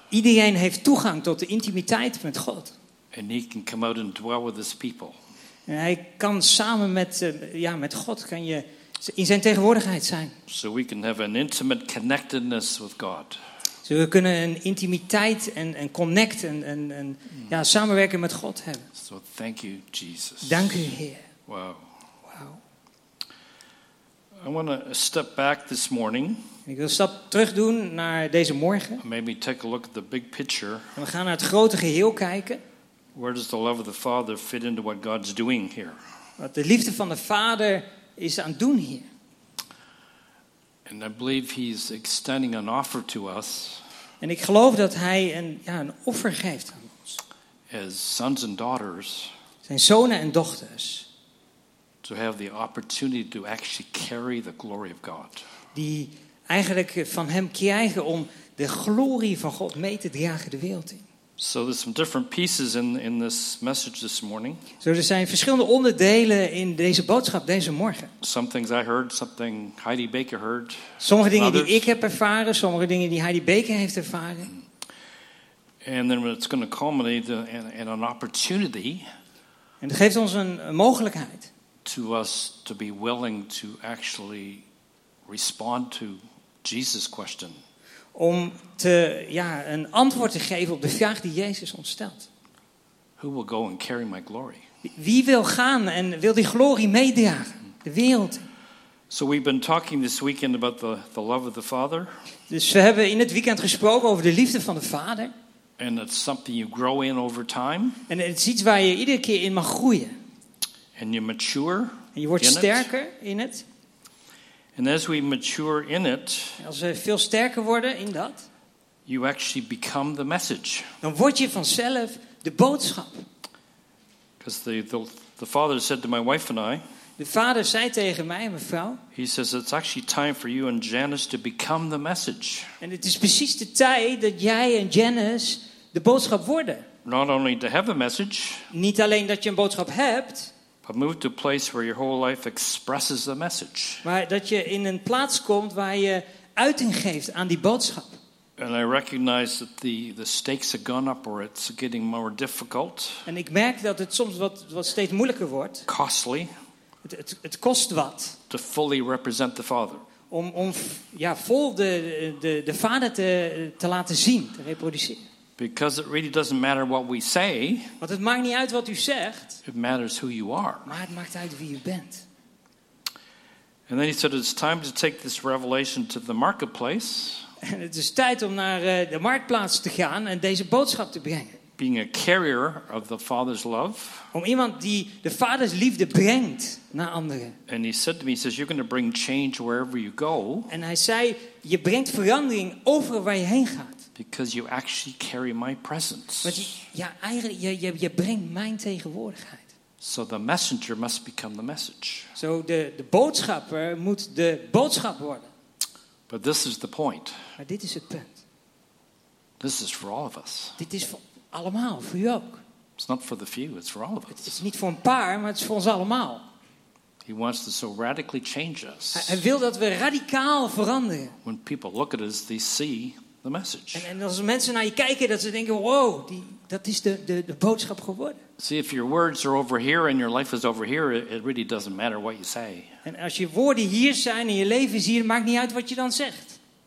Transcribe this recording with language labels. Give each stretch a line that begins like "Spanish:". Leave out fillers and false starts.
Dutch: Iedereen heeft toegang tot de intimiteit met God.
English: And he can come out and dwell with his people.
Dutch: En hij kan samen met God kan je in zijn tegenwoordigheid zijn.
English: So we can have an intimate connectedness with God.
Dutch: Zo we kunnen een intimiteit en connect en samenwerken met God hebben.
English: So thank you, Jesus.
Dutch: Dank u, Heer.
English: Wow. I want to step back this morning.
Dutch: Ik wil een stap terug doen naar deze morgen.
English: Maybe take a look at the big picture.
Dutch: En we gaan naar het grote geheel kijken.
English: Where does the love of the Father fit into what God's doing here?
Dutch: Wat de liefde van de Vader is aan doen hier.
English: And I believe he's extending an offer to us.
Dutch: En ik geloof dat hij een offer geeft aan ons.
English: As sons and daughters.
Dutch: Zijn zonen en dochters.
English: To have the opportunity to actually carry the glory of God.
Dutch: Die eigenlijk van hem krijgen om de glorie van God mee te dragen de wereld in.
English: So there's some different pieces in this message this morning.
Dutch: So er zijn verschillende onderdelen in deze boodschap deze morgen.
English: Some things I heard, something Heidi Baker heard.
Dutch: Sommige dingen die ik heb ervaren, sommige dingen die Heidi Baker heeft ervaren.
English: And then it's going to culminate in an opportunity.
Dutch: En dat geeft ons een mogelijkheid.
English: To us to be willing to actually respond to Jesus' question.
Dutch: Om te een antwoord te geven op de vraag die Jezus ons stelt.
English: Who will go and carry my glory?
Dutch: Wie wil gaan en wil die glorie meedragen de wereld?
English: So we've been talking this weekend about the love of the Father.
Dutch: Dus we hebben in het weekend gesproken over de liefde van de Vader.
English: And it's something you grow in over time.
Dutch: En het is iets waar je iedere keer in mag groeien.
English: And you mature.
Dutch: En je wordt sterker in het.
English: And as we mature in it,
Dutch: als we veel sterker worden in dat,
English: you actually become the message.
Dutch: Dan word je vanzelf de boodschap.
English: Because the father said to my wife and I.
Dutch: De vader zei tegen mij en mijn vrouw.
English: He says it's actually time for you and Janice to become the message.
Dutch: En het is precies de tijd dat jij en Janice de boodschap worden.
English: Not only to have a message.
Dutch: Niet alleen dat je een boodschap hebt.
English: But move to a place where your whole life expresses the message.
Dutch: Maar dat je in een plaats komt waar je uiting geeft aan die boodschap.
English: And I recognize that the stakes have gone up or it's getting more difficult.
Dutch: En ik merk dat het soms wat steeds moeilijker wordt.
English: Costly.
Dutch: Het kost wat.
English: To fully represent the Father.
Dutch: Om vol de Vader te laten zien, te reproduceren.
English: Because it really doesn't matter what we say.
Dutch: Want het maakt niet uit wat u zegt.
English: It matters who you are.
Dutch: Maar het maakt uit wie u bent.
English: And then he said, it's time to take this revelation to the marketplace.
Dutch: En het is tijd om naar de marktplaats te gaan en deze boodschap te brengen.
English: Being a carrier of the Father's love.
Dutch: Om iemand die de Vaders liefde brengt naar anderen.
English: And he said to me, he says, you're going to bring change wherever you go.
Dutch: En hij zei, je brengt verandering over waar je heen gaat.
English: Because you actually carry my presence.
Dutch: Want je brengt mijn tegenwoordigheid.
English: So the messenger must become the message.
Dutch: Zo de boodschapper moet de boodschap worden.
English: But this is the point.
Dutch: Maar dit is het punt.
English: This is for all of us.
Dutch: Dit is voor allemaal, voor u ook.
English: It's not for the few, it's for all of us.
Dutch: Het is niet voor een paar, maar het is voor ons allemaal.
English: He wants to so radically change us.
Dutch: Hij wil dat we radicaal veranderen.
English: When people look at us, they see the message.
Dutch: En als mensen naar je kijken, dat ze denken, wow, dat is de boodschap geworden.
English: See, if your words are over here and your life is over here, it really doesn't matter what you say.
Dutch: En als je woorden hier zijn en je leven is hier, maakt niet uit wat je dan zegt.